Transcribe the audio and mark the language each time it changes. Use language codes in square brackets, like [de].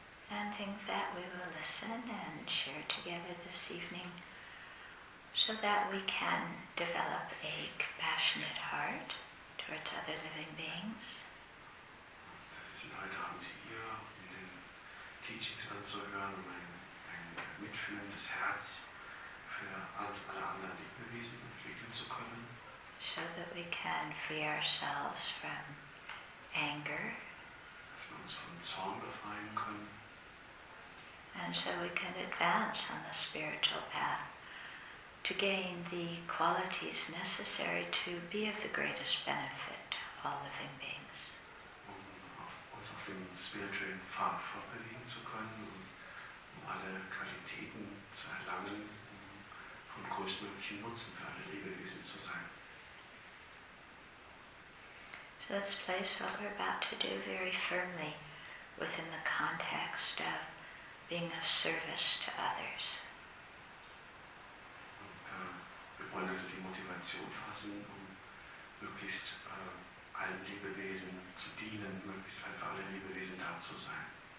[en] And think that we will listen and share together this evening so that we can develop a compassionate heart towards other living beings. [de] Wir sind heute Abend hier, um den Teachings anzuhören und ein mitfühlendes Herz für alle anderen Lebewesen entwickeln zu können. [en] So that we can free ourselves from anger. [de] Dass wir uns von Zorn befreien können. [en] And so we can advance on the spiritual path to gain the qualities necessary to be of the greatest benefit to all living beings. [de] Um uns auf dem spirituellen Pfad fortbewegen zu können und um alle Qualitäten zu erlangen, um von größtmöglichem Nutzen für alle Lebewesen zu sein. [en] So let's place what we're about to do very firmly within the context of being of service to others. [de] Wir wollen also die Motivation fassen, um möglichst allen Lebewesen zu dienen, möglichst einfach alle Lebewesen da zu sein.